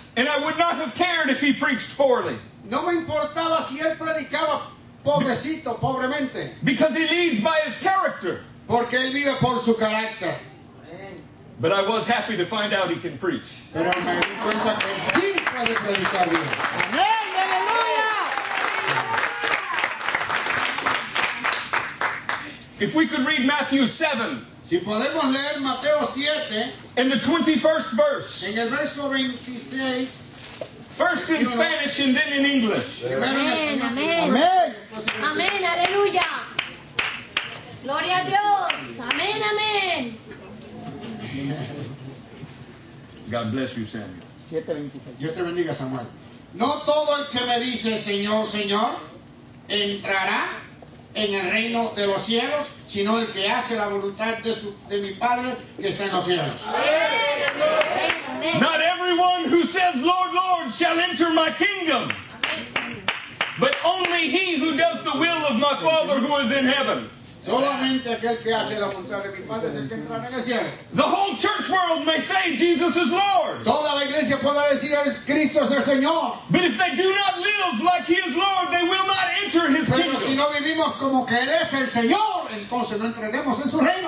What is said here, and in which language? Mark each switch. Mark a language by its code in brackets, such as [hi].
[en] And I would not have cared if he preached poorly. [es] No me importaba si él predicaba pobrecito, pobremente. [en] Because he leads by his character. [es] Porque él vive por su carácter. [en] But I was happy to find out he can preach. [es] Pero me di cuenta que sí puede predicar bien. [en] If we could read Matthew 7. [es] Si podemos leer Mateo 7. [en] In the 21st verse. [es] En el verso 26. [en] First in Spanish and then in English. Amen. Amen. Amen. [es] Amen. Aleluya. Gloria a Dios. Amen. [en] Amen. God bless you, Samuel. 7:26. [es] Dios te bendiga, Samuel. No todo el que me dice Señor, Señor, entrará en el reino de los cielos, sino el que hace la voluntad de mi Padre que está en los cielos. ¡Amén! [en] Amen. Not everyone who says, Lord, Lord, shall enter my kingdom. But only he who does the will of my Father who is in heaven. [es] Solamente aquel que hace la voluntad de mi Padre es el que entrará en el cielo. [en] The whole church world may say Jesus is Lord. [es] Toda la iglesia podrá decir Cristo es el Señor. [en] But if they do not live like he is Lord, they will not enter his [es] Pero [en] kingdom. [es] Pero si no vivimos como que él es el Señor, entonces no entraremos en su reino.